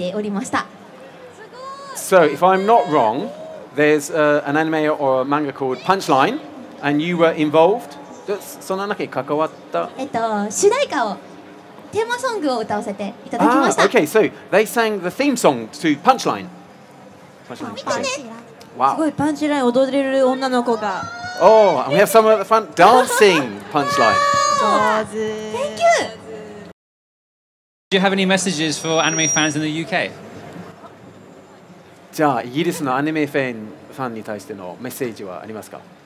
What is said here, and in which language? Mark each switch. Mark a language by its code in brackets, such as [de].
[ja] 最近だと、ショコタン大好きでんぱ組というグループで中川翔子さんと一緒にアニメパンチラインという作品の主題歌を歌わせていただいたのでそれをじっくり見ておりました。So [en] if I'm not wrong, there's an anime or a manga called Punchline and you were involved. [ja] その中に関わった? 主題歌を、テーマソングを歌わせていただきました。 [en] Okay, so they sang the theme song to Punchline. Punchline. Wow. Oh, and we have someone at the front dancing punchline. Thank you. Do you have any messages for anime fans in the UK? [ja] じゃあイギリスのアニメファンに対してのメッセージはありますか?